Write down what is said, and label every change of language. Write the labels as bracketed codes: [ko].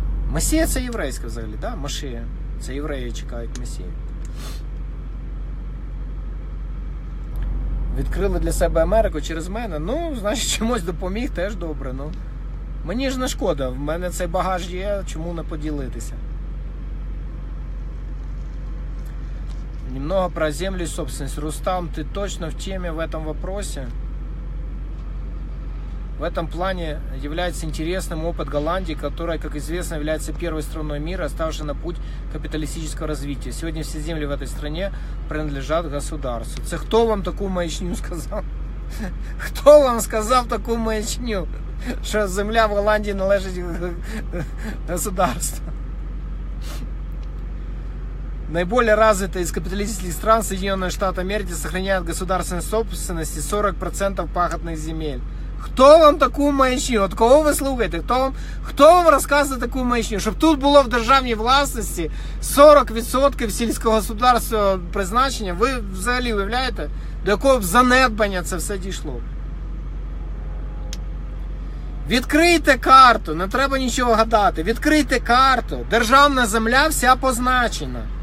[uk] Месія – це єврейська взагалі, да? Машія. Це євреї чекають Месія. Відкрили для себе Америку через мене. Значить, чомусь допоміг, теж добре. Мені ж не шкода, в мене цей багаж є, чому не поділитися. [ru] Немного про землю і собственность. Рустам, [uk] ти точно в темі [ru] в этом вопросе? В этом плане является интересным опыт Голландии, которая, как известно, является первой страной мира, ставшей на путь капиталистического развития. Сегодня все земли в этой стране принадлежат государству. [uk] Це хто вам таку маячню сказав? Хто вам сказав таку маячню, що земля в Голландії належить государству? [ru] Наиболее развитые из капиталистических стран Соединенные Штаты Америки сохраняют государственную собственность 40% пахотных земель. [uk] Хто вам таку маячню? От кого ви слухаєте? Хто вам розказує таку маячню? Щоб тут було в державній власності 40% сільськогосподарського призначення, ви взагалі уявляєте, до якого б занедбання це все дійшло? Відкрийте карту, не треба нічого гадати. Відкрийте карту, державна земля вся позначена.